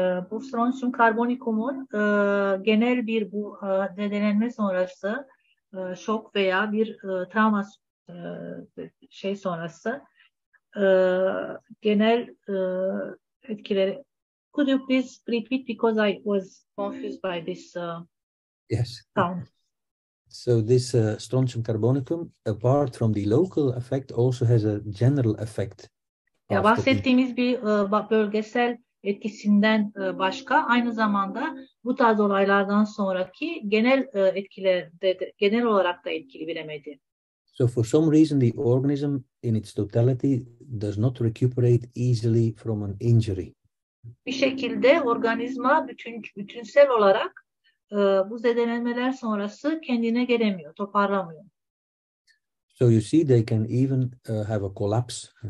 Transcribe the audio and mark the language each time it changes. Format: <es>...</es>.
<tr>Bu strontium carbonicum'un genel bir bu zedelenme sonrası şok veya bir travma şey sonrası. Genel etkileri.</tr> <en>Could you please repeat because I was confused by this yes. Sound. So this strontium carbonicum, apart from the local effect, also has a general effect.</en> <tr>Ya bahsettiğimiz bir bölgesel etkisinden başka aynı zamanda bu tarz olaylardan sonraki genel etkilerde genel olarak da etkili bir remedi.</tr> <en>So for some reason the organism in its totality does not recuperate easily from an injury.</en> <tr>Bir şekilde organizma bütünsel olarak bu zedelenmeler sonrası kendine gelemiyor, toparlamıyor.</tr> <en>So you see they can even have a collapse.</en>